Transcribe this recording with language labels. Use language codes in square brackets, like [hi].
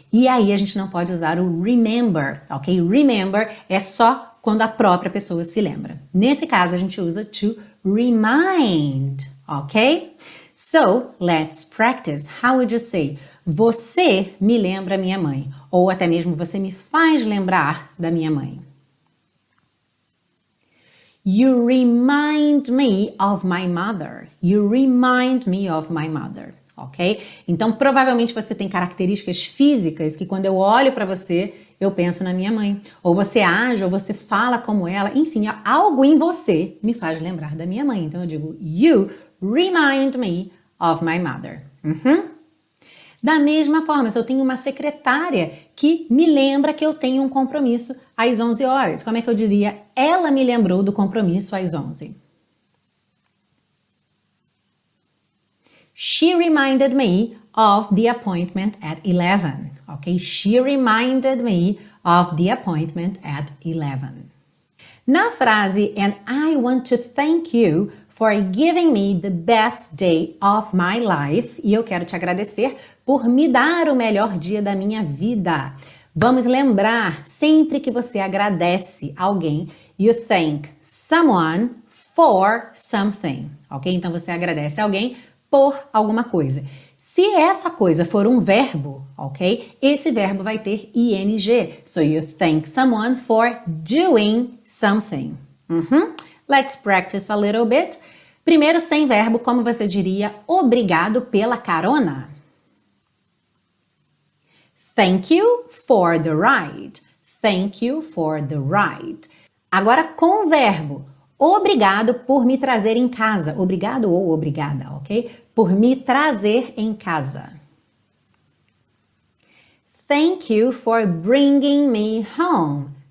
[pt] E aí a gente não pode usar o remember, ok? Remember é só quando a própria pessoa se lembra. Nesse caso, a gente usa to remind, ok? [en] So, let's practice. How would you say? [pt] Você me lembra minha mãe. Ou até mesmo você me faz lembrar da minha mãe. [en] You remind me of my mother. You remind me of my mother. Ok? [pt] Então, provavelmente você tem características físicas que quando eu olho para você, eu penso na minha mãe. Ou você age, ou você fala como ela. Enfim, algo em você me faz lembrar da minha mãe. Então, eu digo, [en] you remind me of my mother. [pt] Da mesma forma, se eu tenho uma secretária que me lembra que eu tenho um compromisso às 11 horas, como é que eu diria? Ela me lembrou do compromisso às 11. [en] She reminded me of the appointment at 11. Okay, she reminded me of the appointment at 11. [pt] Na frase, [en] and I want to thank you for giving me the best day of my life. [pt] E eu quero te agradecer por me dar o melhor dia da minha vida. Vamos lembrar, sempre que você agradece alguém, [en] you thank someone for something, [pt] ok? Então você agradece alguém por alguma coisa. Se essa coisa for um verbo, ok? Esse verbo vai ter ing. [en] So you thank someone for doing something. Uhum. Let's practice a little bit. [pt] Primeiro, sem verbo, como você diria obrigado pela carona? [en] Thank you for the ride. Thank you for the ride. [pt] Agora com o verbo. Obrigado por me trazer em casa. Obrigado ou obrigada, ok? Por me trazer em casa. [en] Thank you for bringing me home.